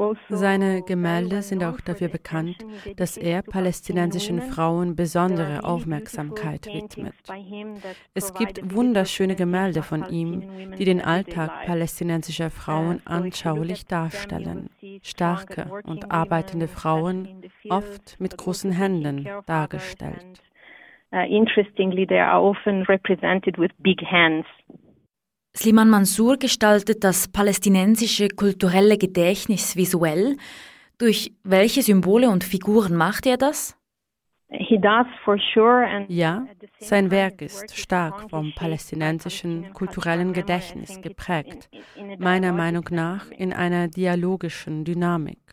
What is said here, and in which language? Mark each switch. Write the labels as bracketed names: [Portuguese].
[German] Seine Gemälde sind auch dafür bekannt, dass er palästinensischen Frauen besondere Aufmerksamkeit widmet. Es gibt wunderschöne Gemälde von ihm, die den Alltag palästinensischer Frauen anschaulich darstellen. Starke und arbeitende Frauen, oft mit großen Händen dargestellt. [English] Interestingly, they are often represented with big hands. [German] Sliman Mansour gestaltet das palästinensische kulturelle Gedächtnis visuell. Durch welche Symbole und Figuren macht er das? [English] He does for sure. [German] Ja, sein Werk ist stark vom palästinensischen kulturellen Gedächtnis geprägt, meiner Meinung nach in einer dialogischen Dynamik.